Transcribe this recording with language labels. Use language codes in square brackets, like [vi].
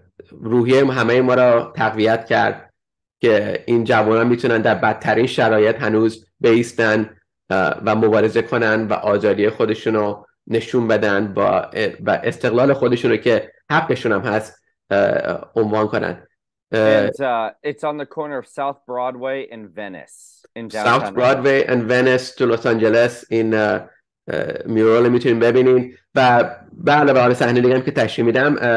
[fa] روحیه همه ما را تقویت کرد که این جوانان میتونن در بدترین شرایط هنوز بایستن و مبارزه کنن و آزادی خودشون رو نشون بدن و استقلال خودشون رو که حقشون هم هست عنوان کنن. [en] It's on the corner of South Broadway and Venice in downtown. South Broadway and Venice to Los Angeles in mural [fa] میتونیم ببینیم و بله برای صحنه دیگه هم که تشریح میدم